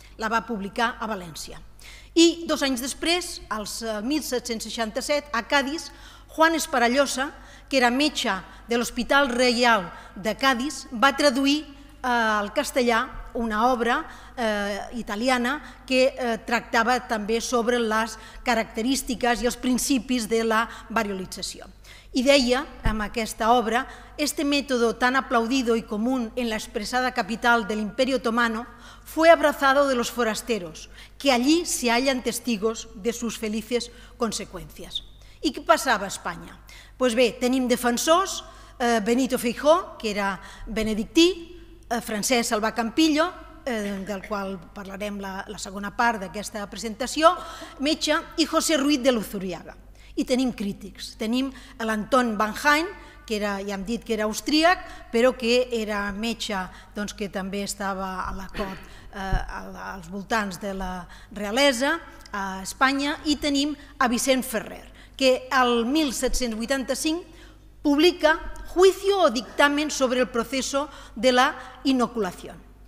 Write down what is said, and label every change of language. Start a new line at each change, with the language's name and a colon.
Catalan: La va publicar a València. I dos anys després, als 1767, a Cádiz, Juan Esparallosa, que era metge de l'Hospital Reial de Cádiz, va traduir al castellà una obra italiana que tractava també sobre les característiques i els principis de la variolització. I deia, amb aquesta obra,
Spanish: este método tan aplaudido y común en la expresada capital del Imperio Otomano fue abrazado de los forasteros, que allí se hallan testigos de sus felices consecuencias.
Catalan: I què passava a Espanya? Pues bé, tenim defensors, Benito Feijó, que era benedictí, Francesc Salvà Campillo, del qual parlarem la segona part d'aquesta presentació, metge, i José Ruiz de Luzuriaga. I tenim crítics. Tenim l'Anton van Hain, que era, ja hem dit que era austríac, però que era metge doncs, que també estava a la cort als voltants de la realesa a Espanya. I tenim a Vicent Ferrer, que el 1785 publica Juicio o dictamen sobre el proceso de la inoculación.